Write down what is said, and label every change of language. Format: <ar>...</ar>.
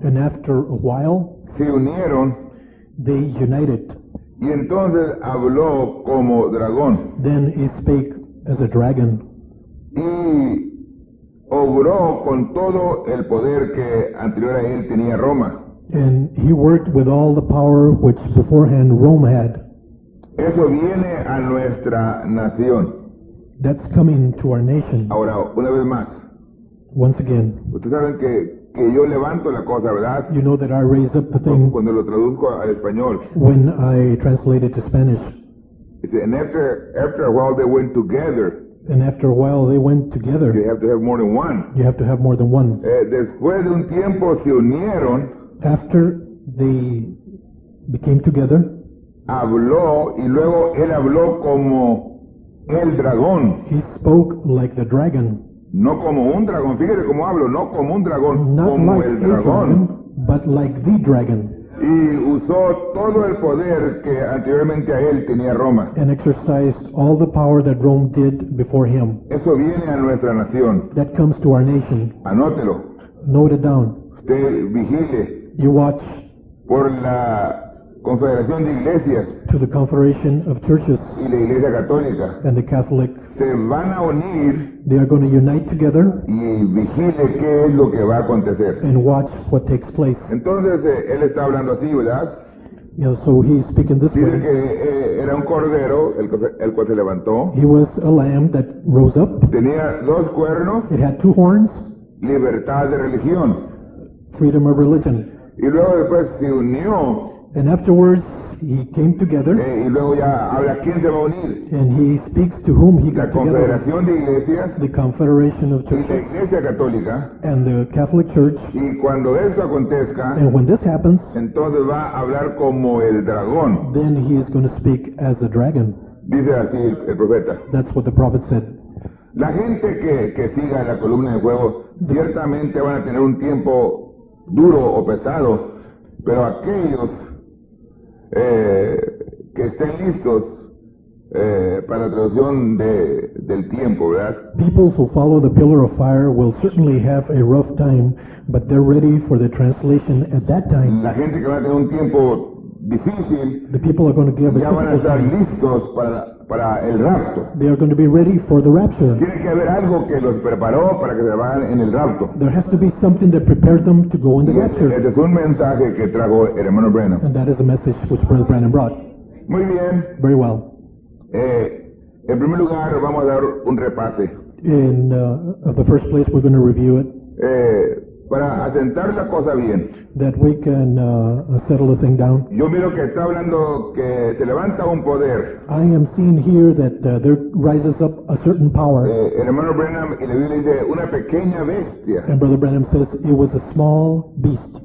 <en>And after a while.</en> <es>Se unieron.</es> <en>They united.</en> <es>Y entonces habló como dragón.</es> <en>Then he spake as a dragon.</en> <es>Y obró con todo el poder que anterior a él tenía Roma.</es> <en>And he worked with all the power which beforehand Rome had.</en> <es>Eso viene a nuestra nación.</es> <en>That's coming to our nation.</en> <es>Ahora, una vez más.</es> <en>Once again.</en> <es>Ustedes saben que yo levanto la cosa, ¿verdad?</es> <en>You know that I raise up the thing.</en> <es>Cuando lo traduzco al español.</es> <en>When I translate it to Spanish. And after a while they went together. And after a while, they went together. You have to have more than one. You have to have more than one.</en> <es>Después de un tiempo se unieron.</es> <en>After they became together.</en> <es>Habló y luego él habló como el dragón.</es> <en>He spoke like the dragon.</en> <es>No como un dragón. Fíjate cómo hablo. No como un dragón.</es> <en>Not</en> <es>como</es> <en>like</en> <es>el dragón,</es> <en>but like the dragon.</en> <es>Y usó todo el poder que anteriormente a él tenía Roma.</es> <en>And exercised all the power that Rome did before him.</en> <es>Eso viene a nuestra nación.</es> <en>That comes to our nation.</en> <es>Anótelo.</es> <en>Note it down.</en> <es>Usted vigile.</es> <en>You watch.</en> <es>Por la Confederación de Iglesias.</es> <en>To the Confederation of Churches.</en> <es>Y la Iglesia Católica.</es> <en>And the Catholic.</en> <es>Se van a unir.</es> <en>They are going to unite together.</en> <es>Y vigile qué es lo que va a acontecer.</es> <en>And watch what takes place.</en> <es>Entonces, él está hablando así, ¿verdad?</es> <en>You know, so he's speaking this</en> <es>dice</es> <en>way.</en> <es>Que era un cordero, el cual se levantó.</es> <en>He was a lamb that rose up.</en> <es>Tenía dos cuernos.</es> <en>It had two horns.</en> <es>Libertad de religión.</es> <en>Freedom of religion.</en> <es>Y luego después se unió.</es> <en>And afterwards he came together.</en> <es>Y luego ya habla quién se va a unir.</es> <en>And he speaks to whom he got together.</en> <es>La Confederación de Iglesias.</es> <en>The Confederation of Churches.</en> <es>Y la Iglesia Católica.</es> <en>And the Catholic Church.</en> <es>Y cuando esto acontezca.</es> <en>And when this happens.</en> <es>Entonces va a hablar como el dragón.</es> <en>Then he is going to speak as a dragon.</en> <es>Dice así el profeta.</es> <en>That's what the prophet said.</en> <es>La gente que siga la columna de fuego ciertamente van a tener un tiempo duro o pesado, pero aquellos que estén listos para la traducción del tiempo, ¿verdad?</es> <en>People who follow the pillar of fire will certainly have a rough time, but they're ready for the translation at that time.</en> <es>La gente que va a tener un tiempo difícil,</es> <en>the people are going to give</en> <es>ya van a estar</es> <en>time.</en> <es>Listos para el rapto.</es> <en>They are going to be ready for the rapture.</en> <es>Tiene que haber algo que los preparó para que se vayan en el rapto.</es> <en>There has to be something that prepared them to go in the rapture.</en> <es>Este es un mensaje que trajo el hermano Branham.</es> <en>And that is a message which Brother Branham brought.</en> <es>Muy bien.</es> <en>Very well.</en> <es>En primer lugar vamos a dar un repase.</es> <en>In the first place we're going to review it.</en> <es>Para asentar la cosa bien.</es> <en>That we can settle the thing down.</en> <es>Yo miro que está hablando que se levanta un poder.</es> <en>I am seeing here that there rises up a certain power.</en> <es>El hermano Branham y la Biblia dice una pequeña bestia.</es> <en>And Brother Branham says it was a small beast.</en>